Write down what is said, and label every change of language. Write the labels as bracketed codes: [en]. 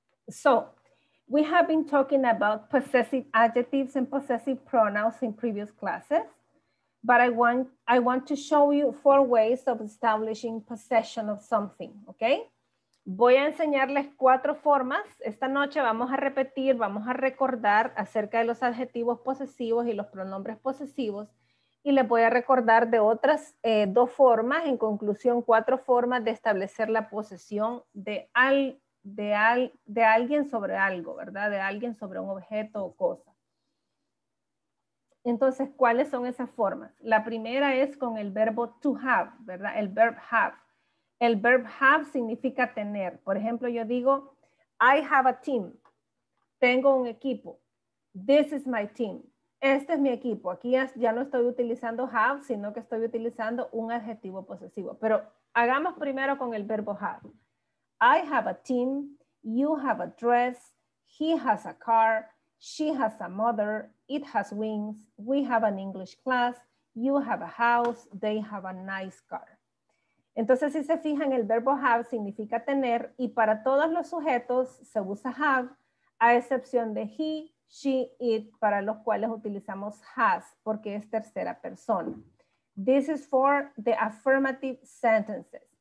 [en] So, we have been talking about possessive adjectives and possessive pronouns in previous classes. But I want to show you four ways of establishing possession of something, okay? [es] Voy a enseñarles cuatro formas. Esta noche vamos a repetir, vamos a recordar acerca de los adjetivos posesivos y los pronombres posesivos. Y les voy a recordar de otras dos formas, en conclusión, cuatro formas de establecer la posesión de alguien sobre algo, ¿verdad? De alguien sobre un objeto o cosa. Entonces, ¿cuáles son esas formas? La primera es con el verbo to have, ¿verdad? El verb have. El verb have significa tener. Por ejemplo, yo digo, [en] I have a team. [es] Tengo un equipo. [en] This is my team. [es] Este es mi equipo. Aquí ya no estoy utilizando have, sino que estoy utilizando un adjetivo posesivo. Pero hagamos primero con el verbo have. [en] I have a team. You have a dress. He has a car. She has a mother. It has wings, we have an English class, you have a house, they have a nice car. [es] Entonces, si se fijan, el verbo have significa tener y para todos los sujetos se usa have, a excepción de he, she, it, para los cuales utilizamos has, porque es tercera persona. [en] This is for the affirmative sentences.